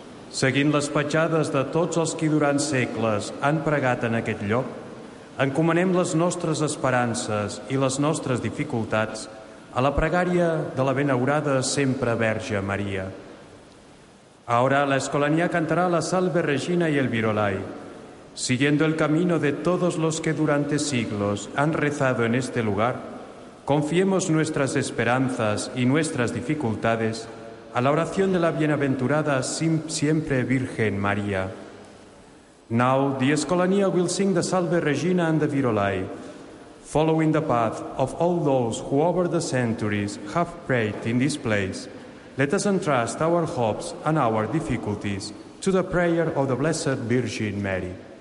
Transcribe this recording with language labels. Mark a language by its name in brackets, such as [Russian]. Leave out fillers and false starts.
[Catalan] Seguint les petjades de tots els qui durant segles han pregat en aquest lloc, encomanem les nostres esperances i les nostres dificultats a la pregària de la benaurada sempre Verge Maria. Ara, l'Escolania cantarà la Salve Regina i el Virolai. [Spanish] Siguiendo el camino de todos los que durante siglos han rezado en este lugar, confiemos nuestras esperanzas y nuestras dificultades a la oración de la bienaventurada siempre Virgen María. [English] Now the Escolania will sing the Salve Regina and the Virolai, following the path of all those who over the centuries have prayed in this place. Let us entrust our hopes and our difficulties to the prayer of the Blessed Virgin Mary.